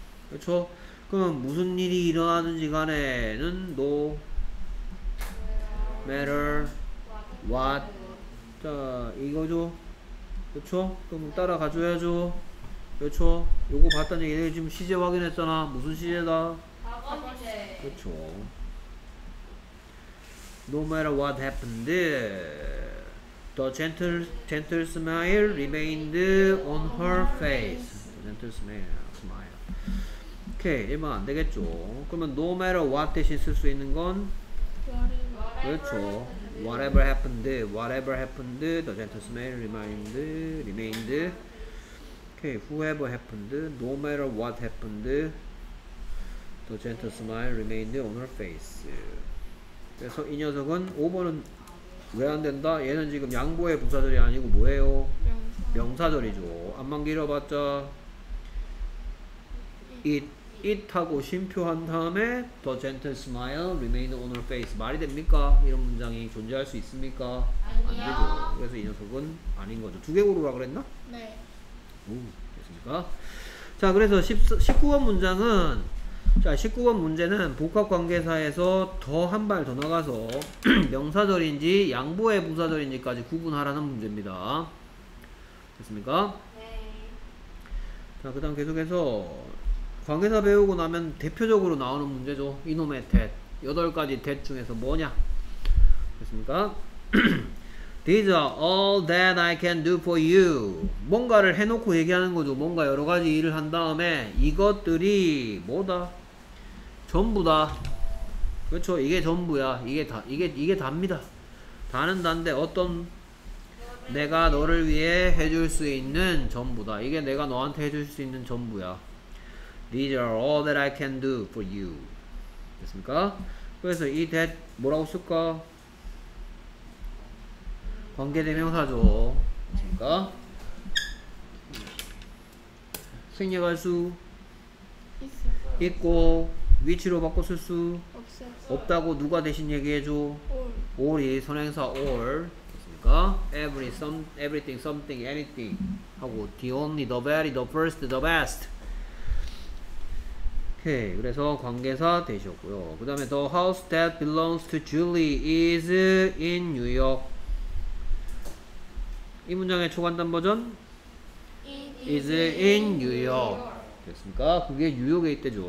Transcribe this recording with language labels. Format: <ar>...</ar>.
<ko>그렇죠? 그럼 무슨 일이 일어나는지 간에는 no matter what. 자, 이거죠. 그렇죠? 그럼 따라 가줘야죠. 그렇죠? 요거 봤다는 얘기 지금 시제 확인했잖아. 무슨 시제다? 과거시제. 그렇죠.</ko> <en>No matter what happened, the gentle smile remained on her face. Gentle smile.</en> <ko>오케이, 이러면 안 되겠죠. 그러면 no matter what 대신 쓸 수 있는 건? 그렇죠.</ko> <en>Whatever happened, whatever happened, the gentle smile remained. Okay, whoever happened, no matter what happened, the gentle smile remained on her face.</en> <ko>그래서 이 녀석은 5번은 왜 안 된다? 얘는 지금 양보의 부사절이 아니고 뭐예요? 명사절이죠. 앞만 길어봤자</ko> <en>it</en> <ko>하고 심표한 다음에</ko> <en>the gentle smile remained on her face.</en> <ko>말이 됩니까? 이런 문장이 존재할 수 있습니까? 아니요. 안 되죠. 그래서 이 녀석은 아닌 거죠. 두 개 고르라 그랬나? 네. 오, 됐습니까? 자, 그래서 19번 문장은, 자, 19번 문제는 복합관계사에서 더 한 발 더 나가서 명사절인지 양보의 부사절인지까지 구분하라는 문제입니다. 됐습니까? 네. 자, 그 다음 계속해서 관계사 배우고 나면 대표적으로 나오는 문제죠. 이놈의 that. 8가지 that 중에서 뭐냐? 됐습니까?</ko> <en>These are all that I can do for you.</en> <ko>뭔가를 해놓고 얘기하는 거죠. 뭔가 여러 가지 일을 한 다음에 이것들이 뭐다? 전부다. 그렇죠. 이게 전부야. 이게 다. 이게 답니다. 다는 단데 어떤 내가 너를 위해 해줄 수 있는 전부다. 이게 내가 너한테 해줄 수 있는 전부야.</ko> <en>These are all that I can do for you.</en> <ko>됐습니까? 그래서 이 that 뭐라고 쓸까? 관계대명사죠. 그러니까 생략할 수 있고 위치로 바꿔 쓸 수 없다고 누가 대신 얘기해줘? All이 선행사 all. 그러니까</ko> <en>every, some, everything, something, anything 하고 the only, the very, the first, the best.</en> <ko>오케이. 그래서 관계사 되셨고요. 그 다음에</ko> <en>the house that belongs to Julie is in New York.</en> <ko>이 문장의 초간단 버전</ko> <en>is in New York.</en> <ko>됐습니까? 그게 뉴욕에 있대죠.</ko>